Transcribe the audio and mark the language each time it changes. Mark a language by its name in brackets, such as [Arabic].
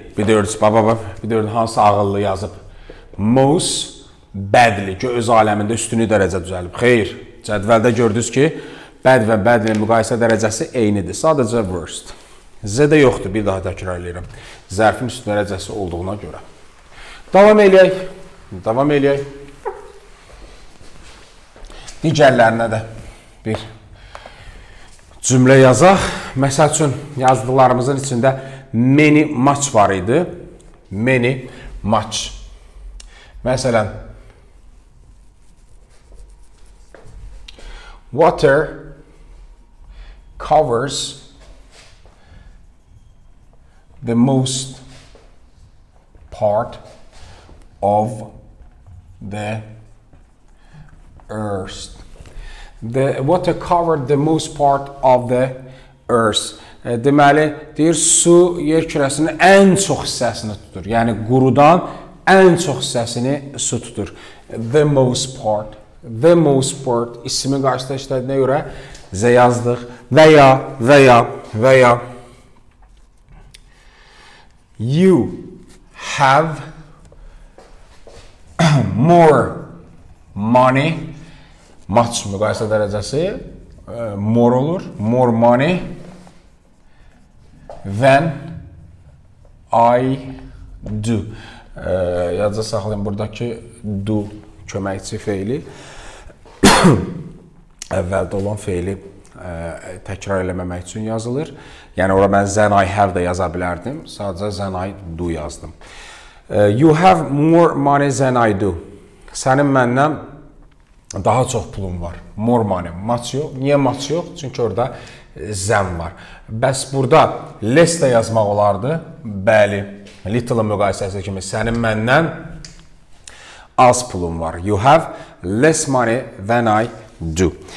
[Azerbaijani] Bir dördüz, bir dördüz hansı ağıllı yazıb. [English] Most badly. [Azerbaijani] Öz aləmində üstünlük dərəcə düzəlib. Xeyr, cədvəldə gördünüz ki, bad və badly müqayisə dərəcəsi eynidir. Sadəcə worst. Z-də yoxdur, bir daha təkrar edirəm. Zərfin üstün dərəcəsi olduğuna görə. Davam eləyək. Digərlərinə də bir cümlə yazaq. Məsəl üçün, yazdıqlarımızın içində many much var idi. [English] Many much. [Azerbaijani] Məsələn, [English] water covers the most part of the earth. The water covered the most part of the earth. [Azerbaijani] Deməli, deyir, su yer kürəsinin ən çox hissəsini tutur. Yəni, qurudan ən çox hissəsini su tutur. [English] The most part. The most part. [Azerbaijani] İsmin qarşısında işlədiyinə görə Z yazdıq. Və ya. [English] You have more money. Much [Azerbaijani] müqayisə dərəcəsi [English] more [Azerbaijani] olur. [English] More money than I do. [Azerbaijani] Yadda saxlayın buradakı do köməkçi feili. Əvvəldə olan feili təkrar eləməmək üçün yazılır. Yəni, ora mən than I have də yaza bilərdim. Sadəcə than I do yazdım. [English] You have more money than I do. [Azerbaijani] Sənin məndən daha çox pulun var. More money. Much yox. Niyə much yox? Çünki orada than var. Bəs burada less də yazmaq olardı. Bəli, little müqayisəsi kimi. Sənin məndən az pulun var. [English] You have less money than I do.